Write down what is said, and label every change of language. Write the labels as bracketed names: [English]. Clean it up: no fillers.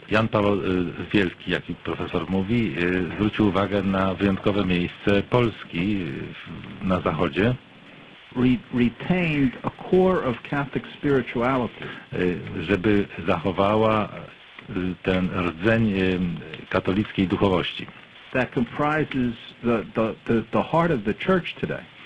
[Polish] Jan Paweł Wielki, jaki profesor mówi, zwrócił uwagę na wyjątkowe miejsce Polski na Zachodzie. [English] retained a core of Catholic spirituality. [Polish] Żeby zachowała ten rdzeń katolickiej duchowości. [English] That comprises the heart of the church today.